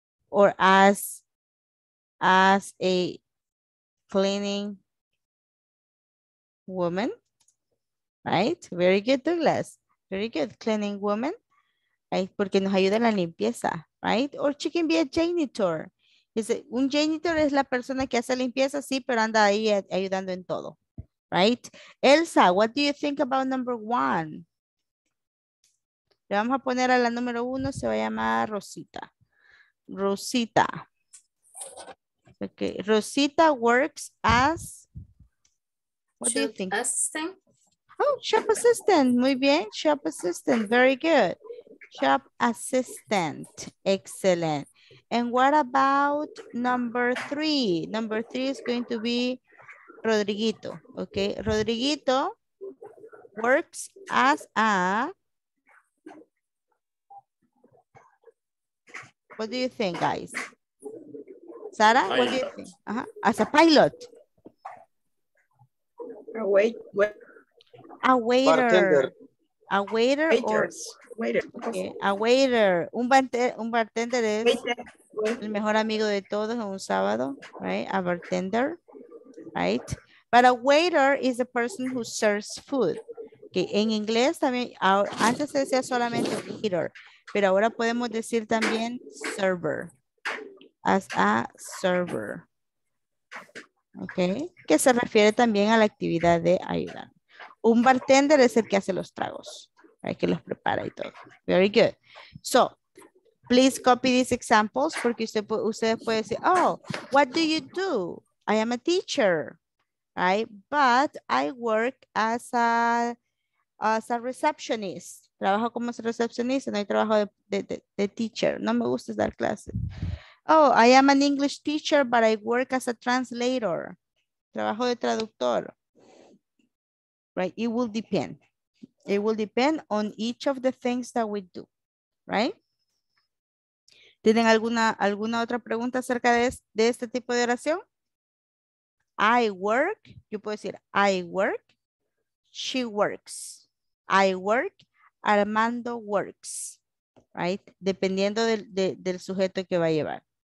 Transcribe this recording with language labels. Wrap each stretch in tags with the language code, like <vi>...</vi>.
<en>Or as a cleaning woman, right? Very good, Douglas. Very good, cleaning woman, right?</en> <es>Porque nos ayuda en la limpieza,</es> <en>right? Or she can be a janitor.</en> <es>Un janitor es la persona que hace limpieza, sí, pero anda ahí ayudando en todo, right? Elsa,</es> <en>what do you think about number one?</en> <es>Le vamos a poner a la número uno, se va a llamar Rosita.</es> <en>Rosita. Okay, Rosita works as, what do you think? Shop assistant. Oh, shop assistant.</en> <es>Muy bien,</es> <en>shop assistant. Very good. Shop assistant. Excellent. And what about number three? Number three is going to be Rodriguito. Okay, Rodriguito works as a, what do you think, guys? Sara, what do you think? Uh-huh. As a pilot. A waiter. A waiter. A waiter. Waiter. Okay. A waiter.</en> <es>Un bartender es el mejor amigo de todos en un sábado, right?</es> <en>A bartender, right? But a waiter is a person who serves food. Okay.</en> <es>En inglés también, antes se decía solamente waiter, pero ahora podemos decir también server.</es> <en>As a server.</en> <es>Ok. Que se refiere también a la actividad de ayudar. Un bartender es el que hace los tragos, right, que los prepara y todo.</es> <en>Very good. So, please copy these examples</en> <es>porque usted puede decir,</es> <en>oh, what do you do? I am a teacher, right? But I work as a receptionist.</en> <es>Trabajo como recepcionista, no hay trabajo de teacher. No me gusta dar clases.</es> <en>Oh, I am an English teacher, but I work as a translator.</en> <es>Trabajo de traductor.</es> <en>Right? It will depend. It will depend on each of the things that we do. Right?</en> <es>¿Tienen alguna otra pregunta acerca de este tipo de oración?</es> <en>I work.</en> <es>Yo puedo decir,</es> <en>I work. She works. I work. Armando works.</en> <es>Right? Dependiendo del sujeto que va a llevar.</es>